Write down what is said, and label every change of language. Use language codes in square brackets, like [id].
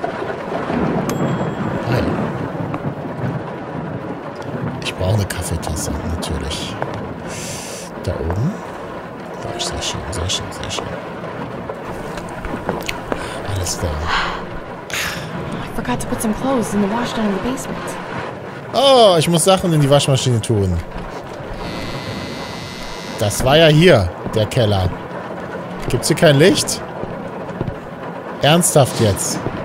[de] Hi. Ich brauche eine Kaffeetasse, natürlich. Da oben. War ich sehr schön, sehr schön, sehr schön. [en] I forgot to put some clothes in the washdown in the basement. [de] Oh, ich muss Sachen in die Waschmaschine tun. Das war ja hier, der Keller. Gibt's hier kein Licht? Ernsthaft jetzt?